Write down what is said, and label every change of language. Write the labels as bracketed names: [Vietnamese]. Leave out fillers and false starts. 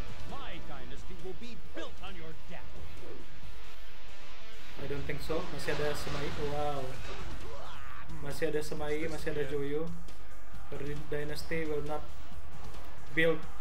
[English] My dynasty will be built on your death. I don't think so. [Indonesian] Masih ada Semai. [English] Wow. [Indonesian] Masih ada Semai, masih ada Joyu. [English] Your dynasty will not build.